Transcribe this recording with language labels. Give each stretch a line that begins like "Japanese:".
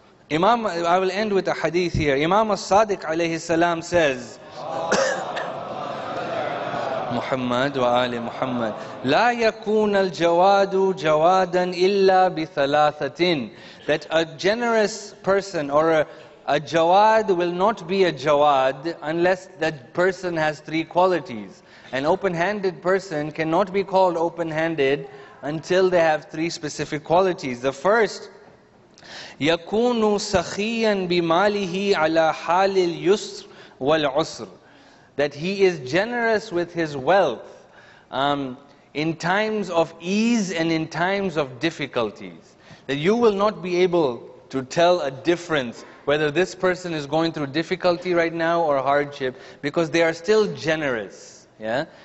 English: Imam, I will end with a hadith here. Imam al-Sadiq alayhi salam says, Muhammad wa Ali Muhammad,
Arabic: لا يكون الجواد جوادا إلا بثلاثتين.
English: That a generous person or a jawad will not be a jawad unless that person has three qualities. An open-handed person cannot be called open-handed until they have three specific qualities. The first,
Arabic: يَكُونُ سَخِيًا بِمَالِهِ عَلَى حَالِ الْيُسْرِ وَالْعُسْرِ.
English: That he is generous with his wealth in times of ease and in times of difficulties. That you will not be able to tell a difference whether this person is going through difficulty right now or hardship, because they are still generous. Yeah.